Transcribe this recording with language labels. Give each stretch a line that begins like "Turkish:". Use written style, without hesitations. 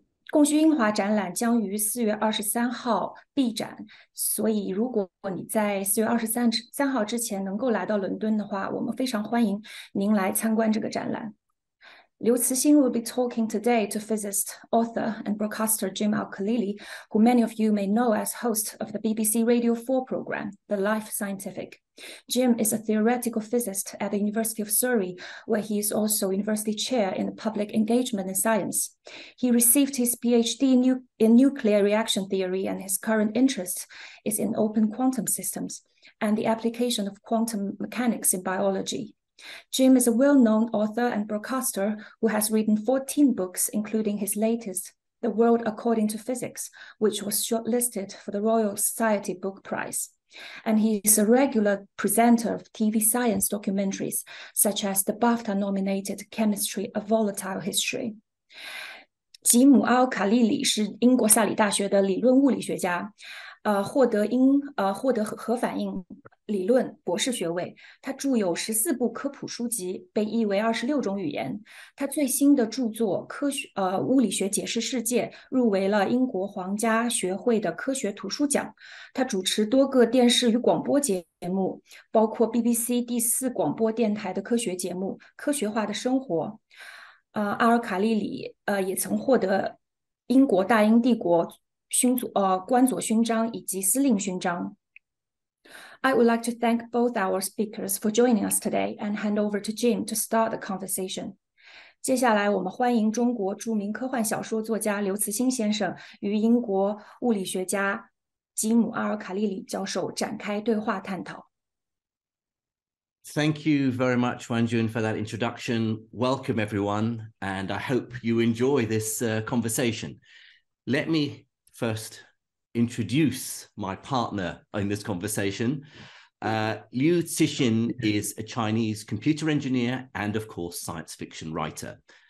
Chinese: 共叙英华展览将于4月23号闭展，所以如果你在4月23号之前能够来到伦敦的话，我们非常欢迎您来参观这个展览。
English: 刘慈欣 will be talking today to physicist, author and broadcaster Jim Al-Khalili, who many of you may know as host of the BBC Radio 4 program, The Life Scientific. Jim is a theoretical physicist at the University of Surrey, where he is also university chair in public engagement in science. He received his PhD in nuclear reaction theory, and his current interest is in open quantum systems and the application of quantum mechanics in biology. Jim is a well-known author and broadcaster who has written 14 books, including his latest, The World According to Physics, which was shortlisted for the Royal Society Book Prize. And he is a regular presenter of TV science documentaries, such as the BAFTA-nominated Chemistry of Volatile History.
Chinese: 吉姆·奥卡利里是英国萨里大学的理论物理学家，获得核反应理论博士学位。他著有14部科普书籍，被译为26种语言。他最新的著作《物理学解释世界》入围了英国皇家学会的科学图书奖。他主持多个电视与广播节目，包括 BBC 第四广播电台的科学节目《科学化的生活》。阿尔卡利里也曾获得英国大英帝国官佐勋章以及司令勋章。
English: I would like to thank both our speakers for joining us today and hand over to Jim to start the conversation.
Chinese: 接下来我们欢迎中国著名科幻小说作家刘慈欣先生与英国物理学家吉姆·阿尔卡利里教授展开对话探讨。
English: Thank you very much, Wanjun, for that introduction. Welcome, everyone, and I hope you enjoy this conversation. Let me first introduce my partner in this conversation. Liu Cixin is a Chinese computer engineer and, of course, science fiction writer.